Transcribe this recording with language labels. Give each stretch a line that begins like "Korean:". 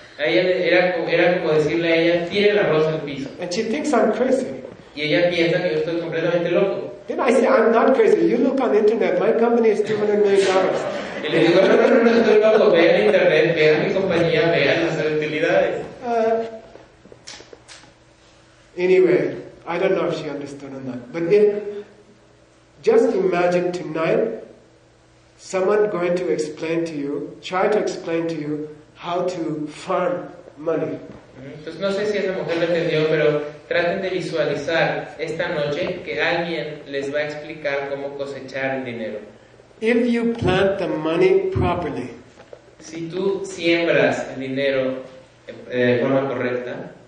Spanish: Era como decirle a ella, tire el arroz al piso.
English: And she thinks I'm crazy.
Spanish: Y ella piensa que yo estoy completamente loco.
English: Then I say, I'm not crazy. You look on the internet. My company is $200 million.
Spanish: Y le digo, no, estoy loco. Ve al internet, ve a mi compañía, ve a las utilidades.
English: Anyway, I don't know if she understood or not. But just imagine tonight, someone going to explain to you, try to explain to you how to farm money.
Spanish: Entonces no sé si esa mujer lo entendió, pero traten de visualizar esta noche que alguien les va a explicar cómo cosechar el dinero.
English: If you plant the money properly,
Spanish: si tú siembras el dinero de forma correcta,